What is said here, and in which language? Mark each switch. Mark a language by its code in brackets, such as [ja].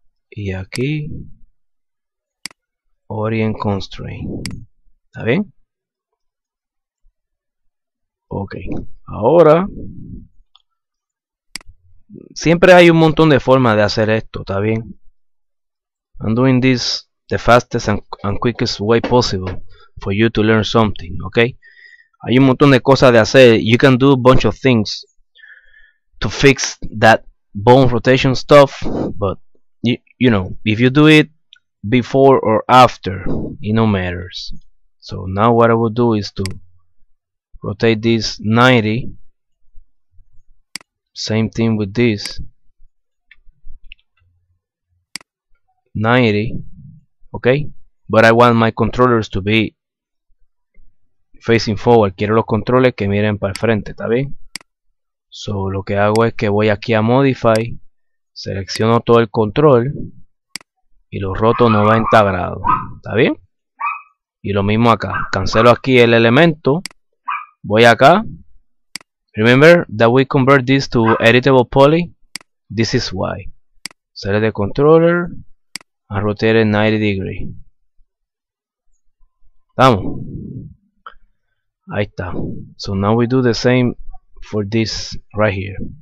[es] Y aquí Orient Constraint. ¿Está bien? Ok. Ahora siempre hay un montón de formas de hacer esto, ¿está bien? [en] I'm doing this the fastest and quickest way possible for you to learn something, ok? [es] Hay un montón de cosas de hacer. [en] You can do a bunch of things to fix that bone rotation stuff, but you know, if you do it before or after, it no matters. So now what I will do is to rotate this 90. Same thing with this 90, okay? But I want my controllers to be facing forward. [es] Quiero los controles que miren para el frente, ¿está bien? [en] So [es] lo que hago es que voy aquí a modify. Selecciono todo el control y lo roto 90 grados, ¿está bien? Y lo mismo acá, cancelo aquí el elemento, voy acá. [en] Remember that we convert this to editable poly, this is why. Select the controller and rotate it 90 degrees. [es] Estamos. Ahí está. [en] So now we do the same for this right here.